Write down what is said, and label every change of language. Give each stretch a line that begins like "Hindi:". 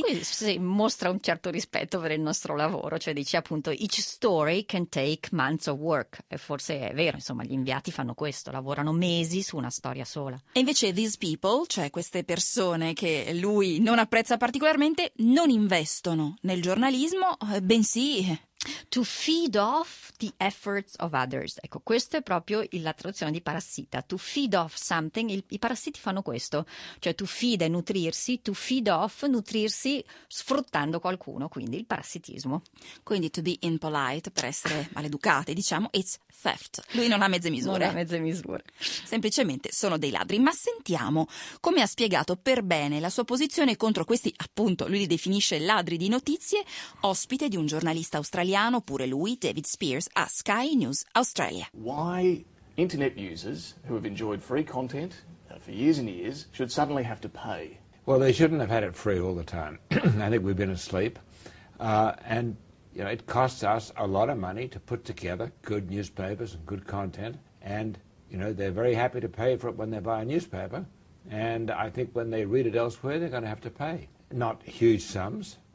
Italian: Qui si mostra un certo rispetto per il nostro lavoro, cioè dice appunto:
English: each story can take months of work.
Italian: E forse è vero, insomma, gli inviati fanno questo, lavorano mesi su una storia sola. E invece
English: these people,
Italian: cioè queste persone che lui non apprezza particolarmente, non investono nel giornalismo, bensì
English: to feed off the efforts of others.
Italian: Ecco, questo è proprio la traduzione di parassita.
English: To feed off something,
Italian: i parassiti fanno questo, cioè
English: to feed
Italian: è nutrirsi,
English: to feed off,
Italian: nutrirsi sfruttando qualcuno, quindi il parassitismo. Quindi
English: to be impolite,
Italian: per essere maleducati, diciamo,
English: it's theft.
Italian: Lui non ha mezze misure. Non ha mezze misure. Semplicemente sono dei ladri. Ma sentiamo come ha spiegato per bene la sua posizione contro questi, appunto, lui li definisce ladri di notizie, ospite di un giornalista australiano, pure lui, David Spears, a Sky News Australia.
English: Why internet users who have enjoyed free content for years and years should suddenly have to pay? Well, they shouldn't have had it free all the time. I think we've been asleep. And you know, it costs us a lot of money to put together good newspapers and good content, and you know, they're very happy to pay for it when they buy a newspaper, and I think when they read it elsewhere, they're going to have to pay. Not huge sums.